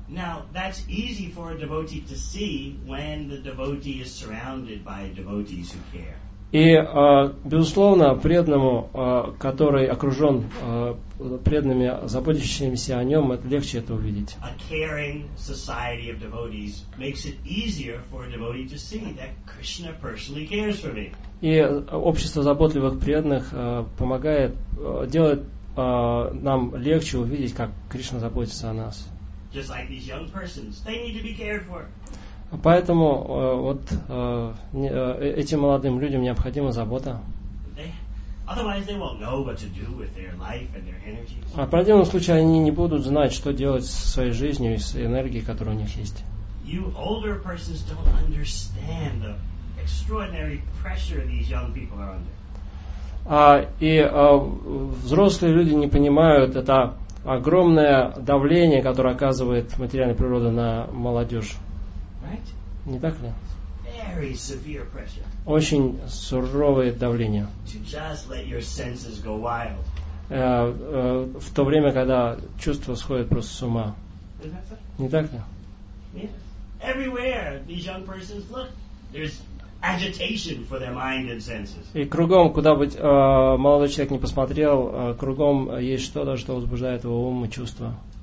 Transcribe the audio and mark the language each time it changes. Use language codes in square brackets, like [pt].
[en] Now, that's easy for a devotee to see when the devotee is surrounded by devotees who care. [ru] И, безусловно, преданному, который окружен преданными, заботящимися о нем, это легче это увидеть. [en] A caring society of devotees makes it easier for a devotee to see that Krishna personally cares for me. [ru] И общество заботливых преданных помогает, делает нам легче увидеть, как Кришна заботится о нас. [en] Just like these young persons, they need to be cared for. [ru] Поэтому вот этим молодым людям необходима забота. [en] They won't know what to do with their life and their energy. [ru] А в противном случае они не будут знать, что делать со своей жизнью и с энергией, которая у них есть. [en] You older persons don't understand the extraordinary pressure these young people are under. [ru] Взрослые люди не понимают это огромное давление, которое оказывает материальная природа на молодежь. [en] Right? [ru] Не так ли? [en] Very severe pressure. [ru] Очень суровое давление. [en] To just let your senses go wild. [ru] В то время, когда чувства сходят просто с ума. Не так ли? [en] Yeah. Everywhere these young persons look, there's agitation for their mind and senses. [ru] И кругом, куда бы молодой человек не посмотрел, кругом есть что-то, что возбуждает его ум и чувства.